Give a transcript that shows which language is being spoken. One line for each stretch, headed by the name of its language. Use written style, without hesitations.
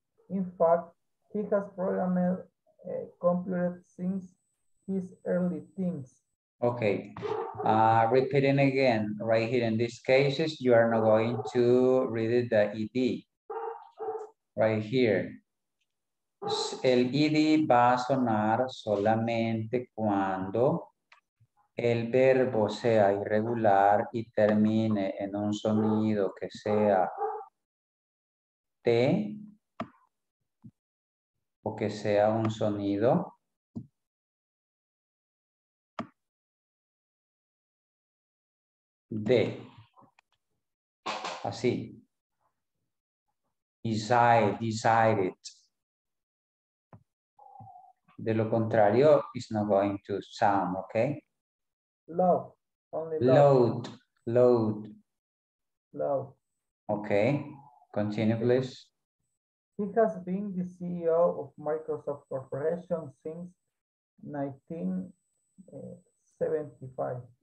English: In fact, he has programmed a computer since his early teens. Okay, repeating again, right here in these cases, you are not going to read it, the ED, right here.
Spanish: El ED va a sonar solamente cuando el verbo sea irregular y termine en un sonido que sea T, o que sea un sonido de, así, decided. De lo contrario,
English: it's not going to sound, okay? Load, only load. Load, load. Load. Okay, continue please. He has been the CEO of Microsoft Corporation since 1975.